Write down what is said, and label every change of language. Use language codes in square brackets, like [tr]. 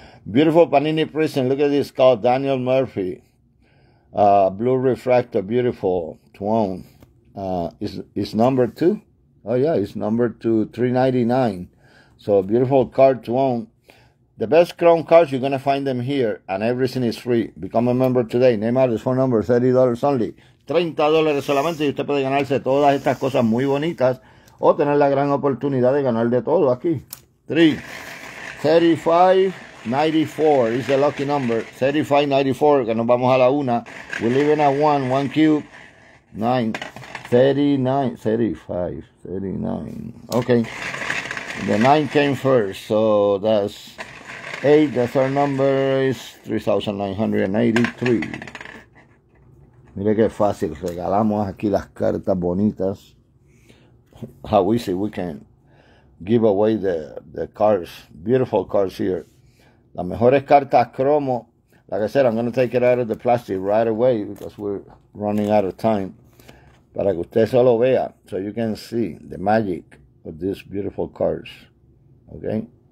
[en] Beautiful Panini Prism. Look at this. Called Daniel Murphy. Blue Refractor. Beautiful. Twone. It's number 2. Oh, yeah. It's number 2. 399. So a beautiful card to own. The best chrome cards, you're going to find them here, and everything is free. Become a member today. Name, address, phone number, $30 only. [es] $30 solamente, y usted puede ganarse todas estas cosas muy bonitas o tener la gran oportunidad de ganar de todo aquí. [en] 3-35-94 is the lucky number. [es] 35-94, que nos vamos a la 1. [en] We live in a 1, 1 cube. 9-39-35-39. Okay. The 9 came first, so that's 8, the third number is 3,983. [es] Mire que fácil, regalamos aquí las cartas bonitas. [en] How easy we can give away the cards, beautiful cards here. [es] Las mejores cartas cromo, [en] like I said, I'm going to take it out of the plastic right away because we're running out of time. [es] Para que usted solo vea, [en] so you can see the magic of these beautiful cards, okay?